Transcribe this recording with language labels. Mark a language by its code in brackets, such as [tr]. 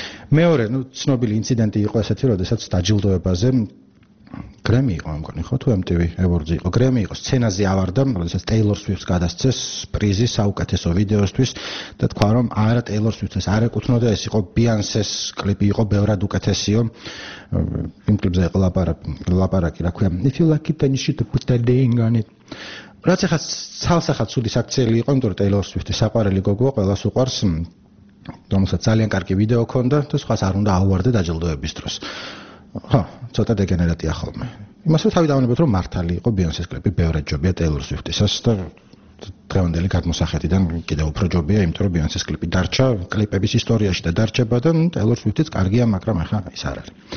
[ka] მეორე, ნუ ცნობილი ინციდენტი იყო ესეთი, როდესაც დაჯილდოებაზე გრემი იყო, ამ კონი ხო თუ MTV Awards-ი იყო. გრემი იყო, სცენაზე ავარდა, როდესაც Taylor Swift-ს გადასცეს პრიზი საუკეთესო ვიდეოსთვის და თქვა რომ არა Taylor Swift-ს არ ეკუთვნოდა, ეს იყო Beyoncé-ს კლიპი, იყო ბევრად უკეთესიო. იმ კლიპზე იყო ლაპარაკი, რა ქვია, [en] If you like it, you should put a ring on it. [ka] რაც ახაც ცალსახად ცუდი საქციელი იყო, იმიტომ რომ Taylor Swift-ის საყვარელი გოგოა, ყველას უყვარს, რომელსაც ძალიან კარგი ვიდეო ჰქონდა და სხვას არ უნდა ავარდე დაჯილდოების დროს. ხო, ცოტა დეგენერატია ხოლმე. იმას რომ თავი დავანებოთ რომ მართალი იყო Beyoncé-ს კლიპი, ბევრად ჯობია Taylor Swift-ისას და დღევანდელი გადმოსახედიდან კიდევ უფრო ჯობია, იმიტომ რომ Beyoncé-ს კლიპი დარჩა კლიპების ისტორიაში და დარჩება და Taylor Swift-იც კარგია, მაგრამ ახლა ის არ არის.